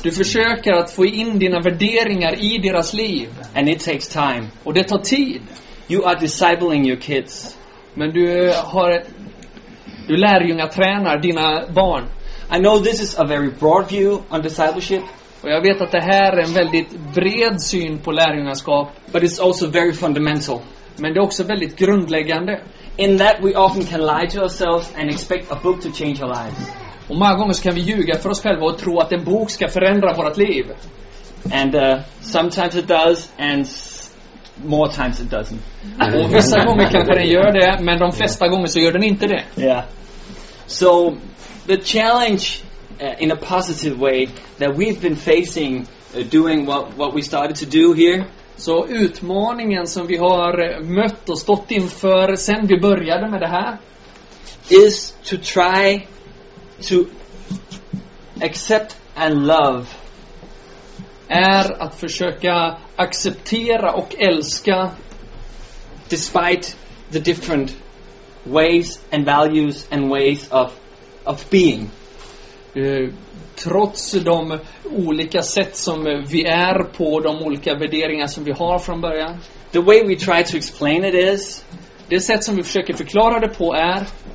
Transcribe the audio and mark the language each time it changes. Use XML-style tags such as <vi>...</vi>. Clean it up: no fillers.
<sv>Du försöker att få in dina värderingar i deras liv.</sv> <en>And it takes time.</en> <sv>Och det tar tid.</sv> <en>You are discipling your kids.</en> <sv>Men du lärjungatränar dina barn.</sv> <en>I know this is a very broad view on discipleship.</en> <sv>Och jag vet att det här är en väldigt bred syn på lärjungaskap.</sv> <en>But it's also very fundamental.</en> <sv>Men det är också väldigt grundläggande.</sv> <en>In that we often can lie to ourselves and expect a book to change our lives.</en> <sv>Och många gånger kan vi ljuga för oss själva och tro att en bok ska förändra vårt liv.</sv> <en>And sometimes it does and more times it doesn't.</en> <sv>Och vissa gånger kanske den gör det, men de flesta gånger så gör den inte det. Yeah.</sv> <en>So the challenge in a positive way that we've been facing doing what we started to do here.</en> <sv>Så utmaningen som vi har mött och stått inför sen vi började med det här</sv> <en>is to try to accept and love.</en> <sv>Är att försöka acceptera och älska</sv> <en>despite the different ways and values and ways of being.</en> <sv>Trots de olika sätt som vi är på, de olika värderingar som vi har från början.</sv> <en>The way we try to explain it is,</en> <sv>det sätt som vi försöker förklara det på är</sv>